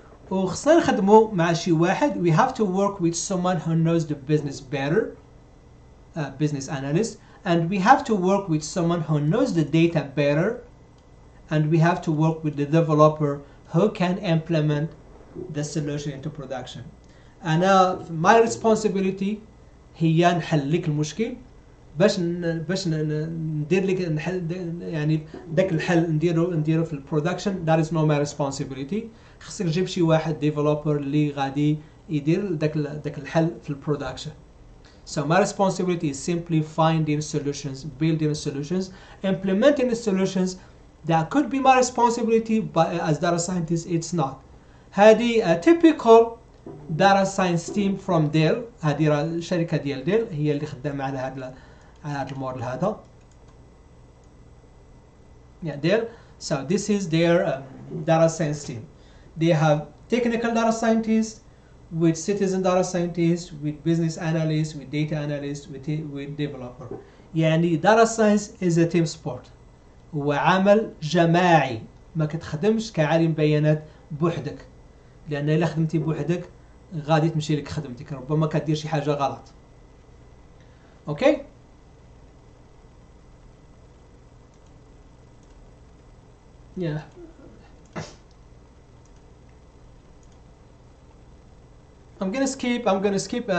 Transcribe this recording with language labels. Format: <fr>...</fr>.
<ar>وخصنا نخدمو مع شي واحد،</ar> <en>we have to work with someone who knows the business better, business analyst, and we have to work with someone who knows the data better, and we have to work with the developer who can implement the solution into production.</en> <ar>انا</ar> <en>my responsibility</en> <ar>هي نحل لك المشكل باش ندير لك نحل يعني داك الحل نديرو في البرودكشن.</ar> <en>That is not my responsibility.</en> <ar>خصك تجيب شي واحد developer اللي غادي يدير داك الحل في البرودكشن.</ar> <en>So my responsibility is simply finding solutions, building solutions, implementing the solutions. That could be my responsibility, but as data scientist, it's not. هذه a typical data science team from Dell.</en> <ar>هذه شركة ديال ديل هي اللي خدامة على هذا المودل هذا.</ar> <en>Yeah, Dell. So this is their data science team. They have technical data scientists, with citizen data scientists, with business analysts, with data analysts, with developer.</en> <ar>يعني</ar> <en>data science is a team sport</en> <ar>وعمل جماعي، ما كتخدمش كعالم بيانات بوحدك، لأن إلا خدمتي بوحدك غادي تمشي لك خدمتك، ربما كدير شي حاجة غلط. أوكي، يا</ar> <en>I'm gonna skip.</en>